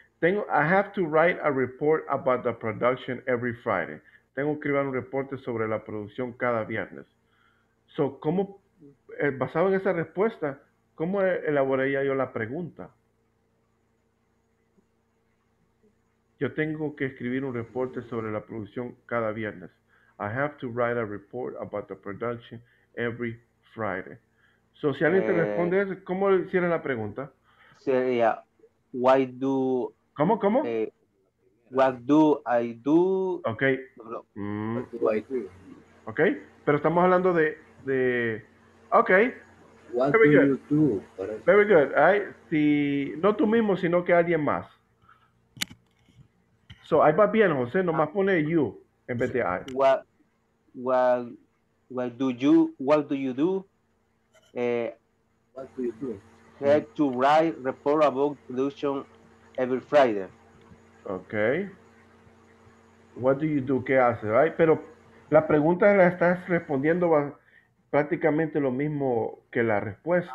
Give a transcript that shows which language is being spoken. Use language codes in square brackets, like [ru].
[en] I have to write a report about the production every Friday. [es] Tengo que escribir un reporte sobre la producción cada viernes. So, ¿cómo, basado en esa respuesta, cómo elaboraría yo la pregunta? Yo tengo que escribir un reporte sobre la producción cada viernes. [en] I have to write a report about the production every Friday. [es] So, si alguien te responde, ¿cómo hicieron la pregunta? [en] Sería, why do... [es] ¿Cómo, cómo? [en] What do I do? Okay. What do I do? [es] Okay. Pero estamos hablando de, okay. [en] What Very do good. You do? Very good. Right. [es] Si, no tú mismo, sino que alguien más. So, ahí va bien, José. Nomás pone you en vez de I. [en] What do you do? What do you do? Have to write report about production every Friday. Okay. What do you do? ¿Qué hace? Right? [es] Pero la pregunta la estás respondiendo va prácticamente lo mismo que la respuesta.